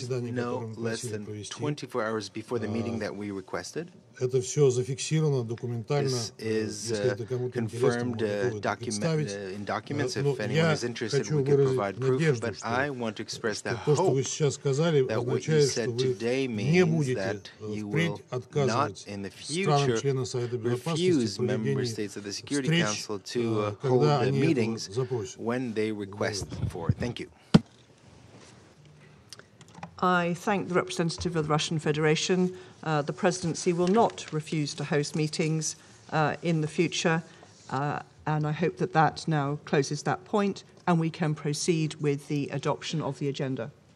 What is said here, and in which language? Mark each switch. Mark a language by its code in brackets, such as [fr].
[en] no less than 24 hours before the meeting that we requested. [ru] это все зафиксировано документально, если это кому-то интересно. [en] I thank the representative of the Russian Federation. The presidency will not refuse to host meetings in the future, and I hope that that now closes that point, and we can proceed with the adoption of the agenda.